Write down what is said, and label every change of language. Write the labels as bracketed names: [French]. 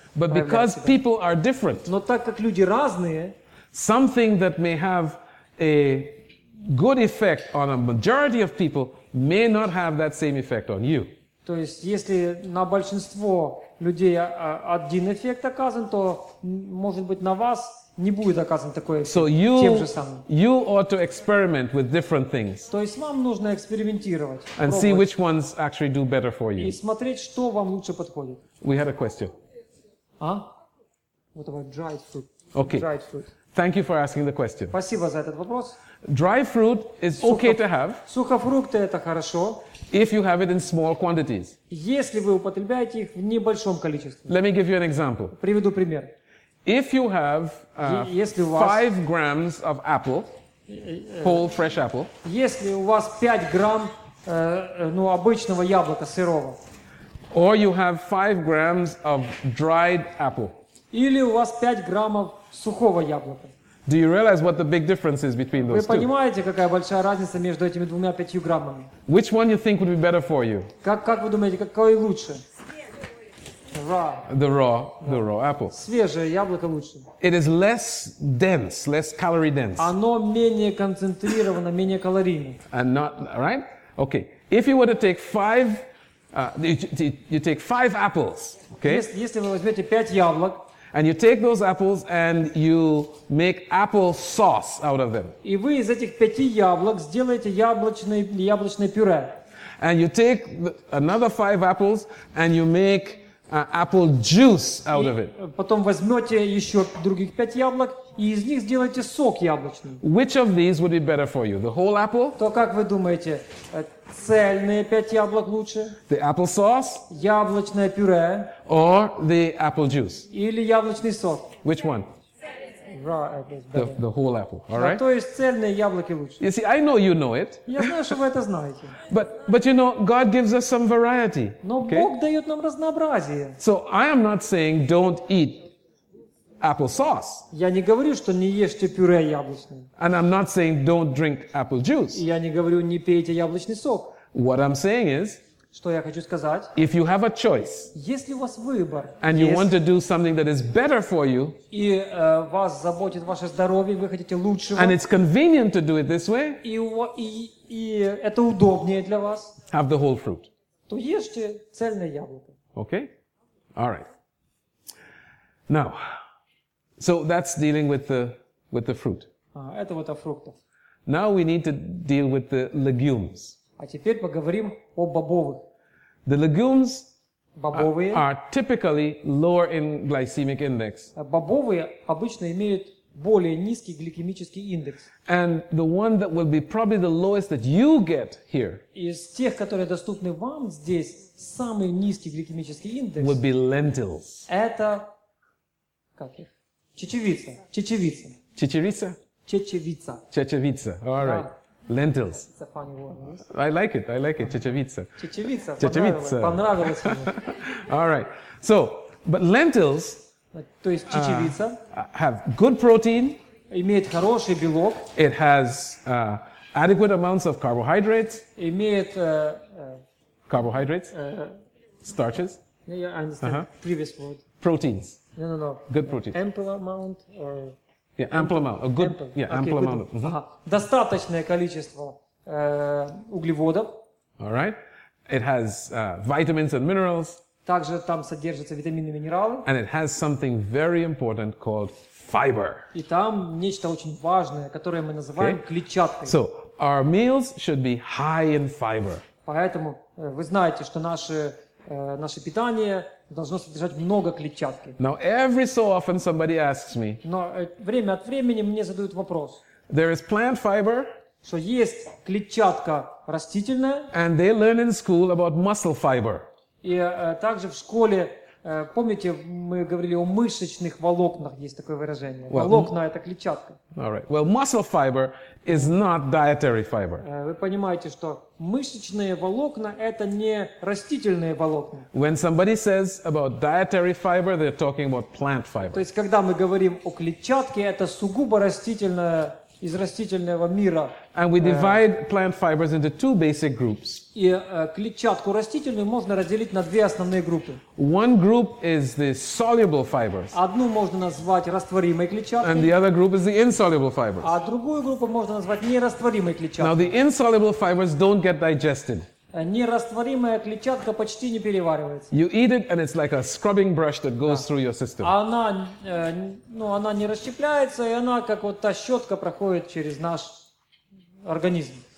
[English] But because people are different. [Russian] Но так как люди разные, [English] something that may have a good effect on a majority of people may not have that same effect on you. [Russian] То есть, если на большинство людей один эффект оказан, то, может быть, на вас не будет оказан такой эффект [English] so you, [Russian] тем же самым. [English] You ought to experiment with different things. [Russian] То есть, вам нужно экспериментировать. [English] And [Russian] пробовать, [English] see which ones actually do better for you. [Russian] И смотреть, что вам лучше подходит. [English] We had a question. А? What about dried fruit? Okay. Dried fruit. Thank you for asking the question. [Russian] Спасибо за этот вопрос. [English] Dry fruit is okay to have. [Russian] Сухофрукты это хорошо. [English] If you have it in small quantities. [Russian] Если вы употребляете их в небольшом количестве. [English] Let me give you an example. [Russian] Приведу пример. [English] If you have 5 grams of apple, whole fresh apple. [Russian] Если у вас 5 грамм ну обычного яблока сырого. [English] Or you have 5 grams of dried apple. [Russian] Или у вас 5 граммов сухого яблока. [English] Do you realize what the big difference is between those two? [Russian] Вы понимаете, [English] two? [Russian] Какая большая разница между этими двумя 5 граммами? [English] Which one you think would be better for you? [Russian] Как вы думаете, какой лучше? [English] The raw apple. [Russian] Свежее яблоко лучше. [English] It is less dense, less calorie dense. [Russian] Оно менее концентрировано, менее калорийно. [English] And not, right? Okay. If you were to take 5 you take 5 apples, okay? [Russian] Если вы возьмете 5 яблок, [English] And you take those apples and you make apple sauce out of them. [Russian] И вы из этих пяти яблок сделаете яблочное пюре. [English] And you take another five apples and you make apple juice out of it. [Russian] Потом возьмете еще других пять яблок и из них сделаете сок яблочный. [English] Which of these would be better for you? The whole apple? [Russian] То как вы думаете, цельные пять яблок лучше? [English] The apple sauce? [Russian] Яблочное пюре? [English] Or the apple juice? [Russian] Или яблочный сок? [English] Which one? The whole apple, all right? [Russian] То есть цельные яблоки лучше. [English] You see, I know you know it. [Russian] Я знаю, что вы это знаете. [English] But you know, God gives us some variety. [Russian] Но Бог дает нам разнообразие. [English] So I am not saying don't eat apple sauce. [Russian] Я не говорю, что не ешьте пюре яблочное. [English] And I'm not saying don't drink apple juice. [Russian] Я не говорю, не пейте яблочный сок. [English] What I'm saying is, [Russian] что я хочу сказать? [English] If you have a choice, [Russian] если у вас выбор, [English] and you want to do something that is better for you, [Russian] и вас заботит ваше здоровье, вы хотите лучшего, [English] and it's convenient to do it this way, [Russian] и это удобнее для вас, [English] have the whole fruit. [Russian] То ешьте цельное яблоко. [English] Okay, all right. Now, so that's dealing with the fruit. [Russian] Это вот о фруктах. [English] Now we need to deal with the legumes. [Russian] А теперь поговорим о бобовых. [English] The legumes [Russian] бобовые [English] are typically lower in glycemic index. [Russian] Бобовые обычно имеют более низкий гликемический индекс. [English] And the one that will be probably the lowest that you get here. [Russian] Из тех, которые доступны вам здесь, самый низкий гликемический индекс [English] would be lentils. [Russian] Это как их? Чечевица. Чечевица. Чечевица. Чечевица. Чечевица. [English] All right. Yeah. Lentils. It's a funny word. I like it. I like it. [Russian] Чечевица. Чечевица. Понравилось. [English] All right. So, but lentils. [Russian] То есть чечевица. [English] Have good protein. [Russian] Имеет хороший белок. [English] It has adequate amounts of carbohydrates. [Russian] Имеет [English] carbohydrates. Starches. Yeah, I understand. Uh-huh. Previous word. Proteins. No. Good protein. Ample amount or. Yeah, ample amount. A good, ample. Yeah, ample amount. Good. Uh-huh. [Russian] Достаточное количество углеводов. [English] All right. It has vitamins and minerals. [Russian] Также там содержатся витамины и минералы. [English] And it has something very important called fiber. [Russian] И там нечто очень важное, которое мы называем клетчаткой. [English] So, our meals should be high in fiber. [Russian] Поэтому вы знаете, что наше питание должно содержать много клетчатки. [English] Now every so often somebody asks me. [Russian] Но время от времени мне задают вопрос. [English] There is plant fiber. [Russian] Что есть клетчатка растительная. [English] And they learn in school about muscle fiber. [Russian] И также в школе, помните, мы говорили о мышечных волокнах, есть такое выражение. Волокна — это клетчатка. [English] All right. Well, muscle fiber is not dietary fiber. [Russian] Вы понимаете, что мышечные волокна — это не растительные волокна. [English] When somebody says about dietary fiber, they're talking about plant fiber. [Russian] То есть, когда мы говорим о клетчатке, это сугубо растительное, из растительного мира. [English] And we divide plant fibers into two basic groups. [Russian] И клетчатку растительную можно разделить на две основные группы. [English] One group is the soluble fibers. [Russian] Одну можно назвать растворимой клетчаткой. [English] And the other group is the insoluble fibers. [Russian] А другую группу можно назвать нерастворимой клетчаткой. [English] Now the insoluble fibers don't get digested. [Russian] Нерастворимая клетчатка почти не переваривается. [English] You eat it and it's like a scrubbing brush that goes through your system. [Russian] Она не расщепляется, и она как вот та щетка проходит через наш организм.